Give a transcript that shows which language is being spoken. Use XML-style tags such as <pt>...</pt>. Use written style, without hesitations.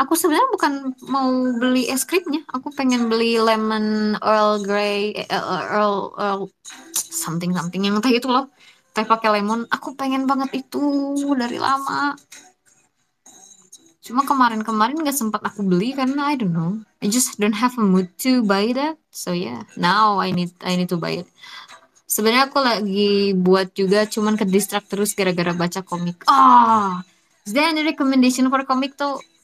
<id>Aku sebenarnya bukan mau beli es krimnya. Aku pengen beli lemon Earl Grey, Earl something yang teh itu loh. Teh pakai lemon. Aku pengen banget itu dari lama. Cuma kemarin-kemarin gak sempat aku beli karena</id> <en>I don't know. I just don't have a mood to buy that. So yeah, now I need to buy it.</en> <id>Sebenarnya aku lagi buat juga, cuman ke-distract terus gara-gara baca komik.</id> <en>Oh, is there any recommendation for komik tuh?</en>